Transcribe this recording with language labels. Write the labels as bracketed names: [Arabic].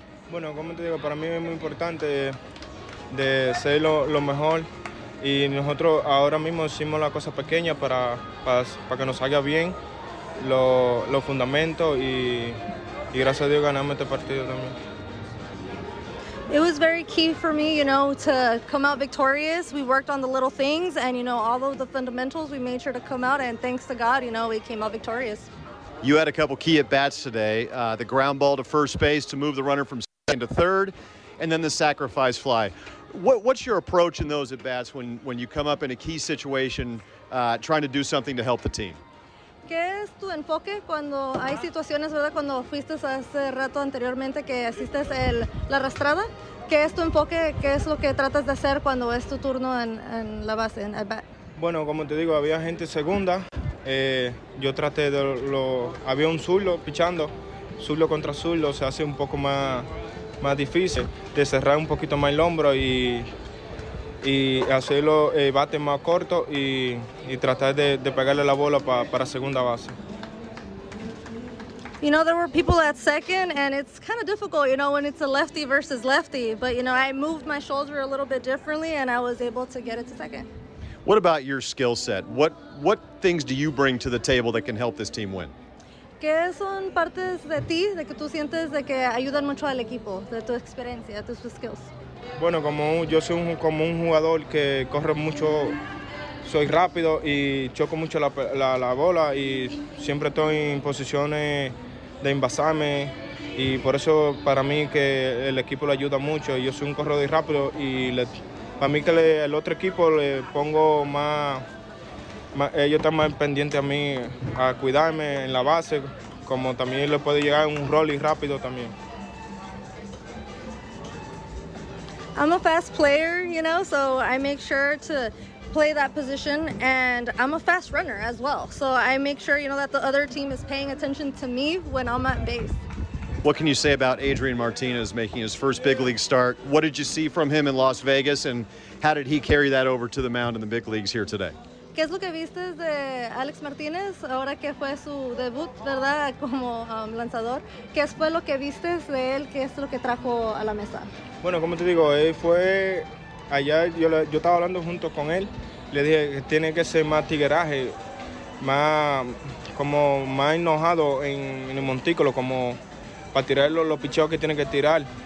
[Spanish] Bueno, como te digo, para mí es muy importante de ser lo mejor. Y nosotros ahora mismo hicimos la cosa pequeña para que nos salga bien los fundamentos y gracias a Dios ganamos este partido también. [English] It was very key for me, you know, to come out victorious. We worked on the little things and, you know, all of the fundamentals we made sure to come out, and thanks to God, you know, we came out victorious. You had a couple key at-bats today, the ground ball to first base to move the runner from second to third, and then the sacrifice fly. What's your approach in those at-bats when you come up in a key situation trying to do something to help the team? [Spanish] ¿Qué es tu enfoque cuando hay situaciones, verdad, cuando fuiste hace rato anteriormente que hiciste la arrastrada? ¿Qué es tu enfoque? ¿Qué es lo que tratas de hacer cuando es tu turno en la base, en at-bat? Bueno, como te digo, había gente segunda. Yo traté de lo... Había un zurdo pichando. Zurdo contra zurdo, se hace un poco más difícil de cerrar un poquito más el hombro y hacerlo bate más corto y tratar de pegarle la bola para segunda base. [English] You know, there were people at second, and it's kind of difficult, you know, when it's a lefty versus lefty. But, you know, I moved my shoulder a little bit differently, and I was able to get it to second. What about your skill set? What things do you bring to the table that can help this team win? [Spanish] ¿Qué son partes de ti, de que tú sientes de que ayudan mucho al equipo, de tu experiencia, de tus skills? Bueno, como un jugador que corre mucho, soy rápido y choco mucho la bola y siempre estoy en posiciones de envasarme y por eso para mí que el equipo le ayuda mucho. Yo soy un corredor rápido y para mí que el otro equipo le pongo más, ellos están más pendientes a mí, a cuidarme en la base, como también le puede llegar un rally rápido también. [English] I'm a fast player, you know, so I make sure to play that position, and I'm a fast runner as well. So I make sure, you know, that the other team is paying attention to me when I'm at base. What can you say about Adrian Martinez making his first big league start? What did you see from him in Las Vegas, and how did he carry that over to the mound in the big leagues here today? [Spanish] ¿Qué es lo que viste de Alex Martinez ahora que fue su debut, verdad, como lanzador? ¿Qué fue lo que viste de él? ¿Qué es lo que trajo a la mesa? Bueno, como te digo, él fue allá, yo estaba hablando junto con él, le dije que tiene que ser más tigueraje, más enojado en el montículo, como para tirar los picheos que tiene que tirar.